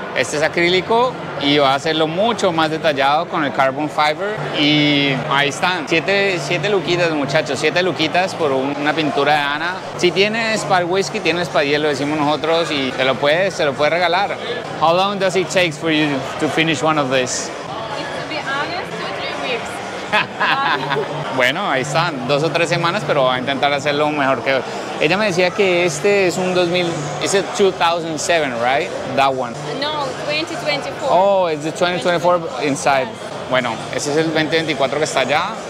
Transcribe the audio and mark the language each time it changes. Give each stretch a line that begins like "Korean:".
Spanish: Este es acrílico y voy a hacerlo mucho más detallado con el carbon fiber. Y ahí están, siete luquitas, muchachos, siete luquitas por una pintura de Ana. Si tienes para whisky, tienes para hielo, decimos nosotros, y se lo puedes regalar.
English: How long does it take for you to finish one of this? To be honest, 2-3 weeks.
Spanish: Bueno, ahí están, 2 o 3 semanas, pero voy a intentar hacerlo mejor que hoy. Ella me decía que este es un 2000, es el 2007,
English: right? That one.
Spanish: No, 2024. Oh, es el 2024
English: inside. Yes.
Spanish: Bueno, ese es el 2024 que está allá.